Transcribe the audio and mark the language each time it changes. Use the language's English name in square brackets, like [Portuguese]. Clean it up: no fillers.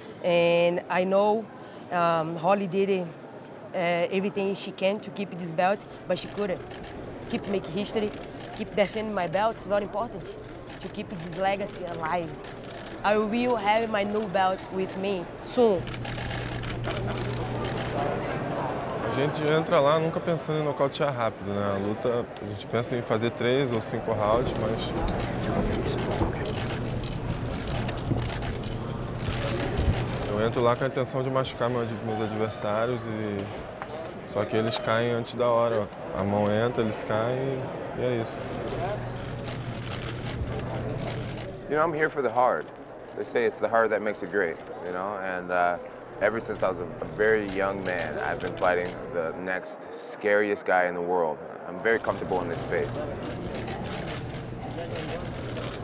[English] And I know Holly did everything she can to keep this belt, but she couldn't. Keep making history, keep defending my belt is very important to keep this legacy alive. I will have my new belt with me soon. [Portuguese] A gente entra lá nunca pensando em nocautear rápido, né? A luta, a gente pensa em fazer 3 ou 5 rounds, mas... Eu entro lá com a intenção de machucar meus adversários e... Só que eles caem antes da hora, ó. A mão entra, eles caem e é isso. [English] You know, I'm here for the hard. They say it's the hard that makes it great, you know? Ever since I was a very young man, I've been fighting the next scariest guy in the world. I'm very comfortable in this space.